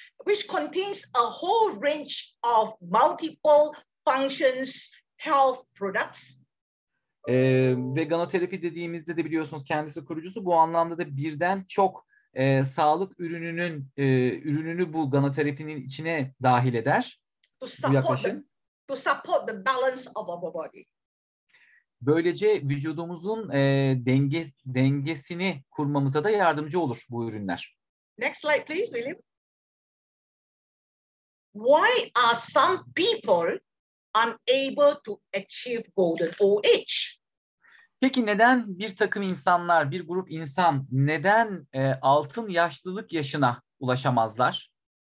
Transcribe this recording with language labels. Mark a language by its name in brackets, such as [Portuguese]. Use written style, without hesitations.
[English] Which contains a whole range of multiple functions health products. [Turkish] Ve Ganoterapi dediğimizde de biliyorsunuz kendisi kurucusu. Bu anlamda da birden çok sağlık ürününün ürününü bu Ganoterapi'nin içine dahil eder. [English] To support the balance of our body. [Turkish] Böylece vücudumuzun dengesini kurmamıza da yardımcı olur bu ürünler. [English] Next slide please, William. Why are some people unable to achieve golden OH? [Turkish] Peki neden bir takım insanlar, bir grup insan neden altın yaşlılık yaşına ulaşamazlar?